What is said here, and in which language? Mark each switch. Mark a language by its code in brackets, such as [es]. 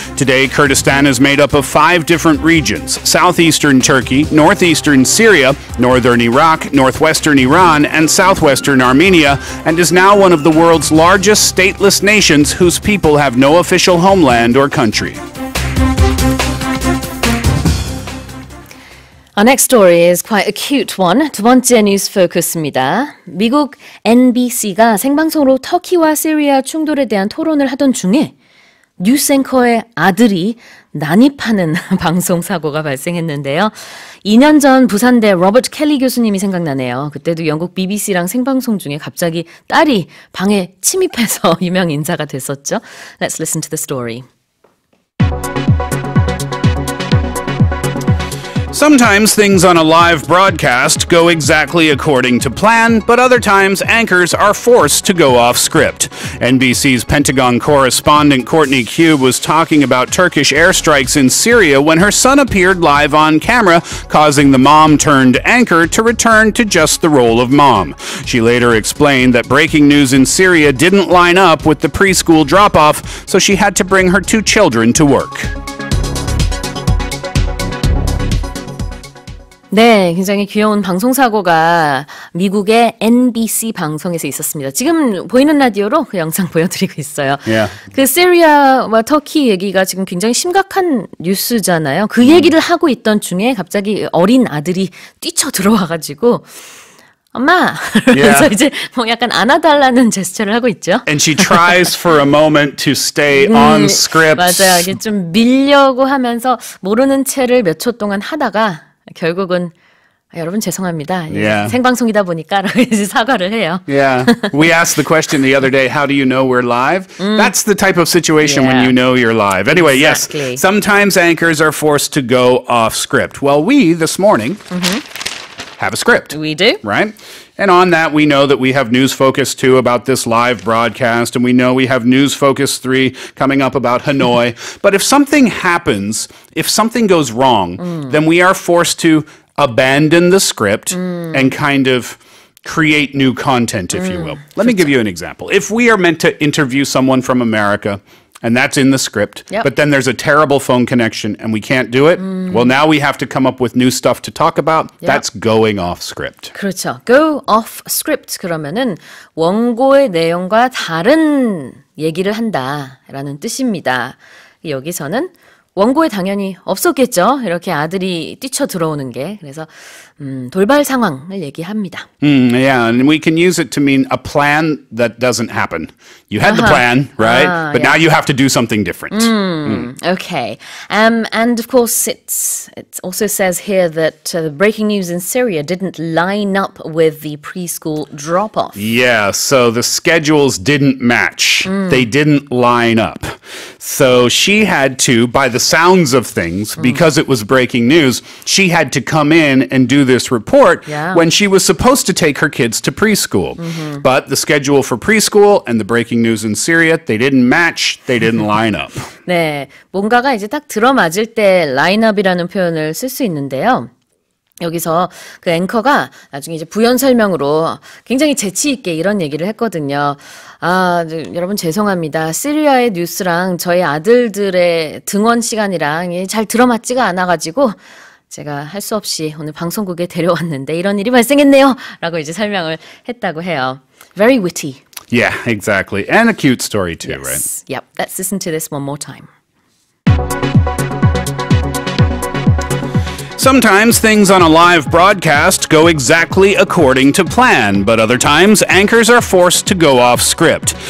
[en] Today, Kurdistan is made up of five different regions: southeastern Turkey, northeastern Syria, northern Iraq, northwestern Iran, and southwestern Armenia, and is now one of the world's largest stateless nations whose people have no official homeland or country. Our next story is quite a cute one. [ko] 두 번째 뉴스 포커스입니다. 미국 NBC가 생방송으로 터키와 시리아 충돌에 대한 토론을 하던 중에 뉴스 앵커의 아들이 난입하는 방송 사고가 발생했는데요. 2년 전 부산대 로버트 켈리 교수님이 생각나네요. 그때도 영국 BBC랑 생방송 중에 갑자기 딸이 방에 침입해서 유명 인사가 됐었죠. [en] Let's listen to the story. Sometimes things on a live broadcast go exactly according to plan, but other times anchors are forced to go off script. NBC's Pentagon correspondent Courtney Cube was talking about Turkish airstrikes in Syria when her son appeared live on camera, causing the mom-turned anchor to return to just the role of mom. She later explained that breaking news in Syria didn't line up with the preschool drop-off, so she had to bring her two children to work. [ko] 네, 굉장히 귀여운 방송 사고가 미국의 NBC 방송에서 있었습니다. 지금 보이는 라디오로 그 영상 보여드리고 있어요. [en] Yeah. [ko] 그 시리아와 터키 얘기가 지금 굉장히 심각한 뉴스잖아요. 그 얘기를 하고 있던 중에 갑자기 어린 아들이 뛰쳐 들어와가지고 엄마! 그래서 [en] yeah. [ko] 이제 뭐 약간 안아달라는 제스처를 하고 있죠. [en] And she tries for a moment to stay on script. [ko] 맞아요. 이게 좀 밀려고 하면서 모르는 채를 몇 초 동안 하다가 결국은 여러분 죄송합니다. [en] Yeah. [ko] 생방송이다 보니까 이제 사과를 해요. [en] Yeah. We asked the question the other day, how do you know we're live? That's the type of situation when you know you're live. Anyway, exactly. Yes. Sometimes anchors are forced to go off script. Well, we this morning have a script. We do. Right? And on that, we know that we have News Focus 2 about this live broadcast, and we know we have News Focus 3 coming up about Hanoi. But if something happens, if something goes wrong, then we are forced to abandon the script and kind of create new content, if you will. Let me give you an example. If we are meant to interview someone from America, And that's in the script. Yep. But then there's a terrible phone connection and we can't do it. Mm. Well, now we have to come up with new stuff to talk about. Yep. That's going off script. [ko] 그렇죠. [en] Go off script. [ko] 그러면은 원고의 내용과 다른 얘기를 한다라는 뜻입니다. 여기서는 원고에 당연히 없었겠죠. 이렇게 아들이 뛰쳐 들어오는 게. 그래서 돌발 상황을 얘기합니다. [en] Yeah, and we can use it to mean a plan that doesn't happen. You had the plan, right? But now you have to do something different. Okay. And of course, it also says here that the breaking news in Syria didn't line up with the preschool drop-off. Yeah, so the schedules didn't match. They didn't line up. So she had to, by the sounds of things, because it was breaking news, she had to come in and do this report when she was supposed to take her kids to preschool. Mm-hmm. But the schedule for preschool and the breaking news in Syria, they didn't match, they didn't line up. [ko] 네, 뭔가가 이제 딱 들어맞을 때 line-up이라는 표현을 쓸 수 있는데요. 여기서 그 앵커가 나중에 이제 부연 설명으로 굉장히 재치 있게 이런 얘기를 했거든요. 아, 여러분 죄송합니다. 시리아의 뉴스랑 저희 아들들의 등원 시간이랑 잘 들어맞지가 않아가지고 제가 할 수 없이 오늘 방송국에 데려왔는데 이런 일이 발생했네요. 라고 이제 설명을 했다고 해요. [en] Very witty. Yeah, exactly. And a cute story too, yes. right? Yep, let's listen to this one more time. Sometimes things on a live broadcast go exactly according to plan, but other times anchors are forced to go off script.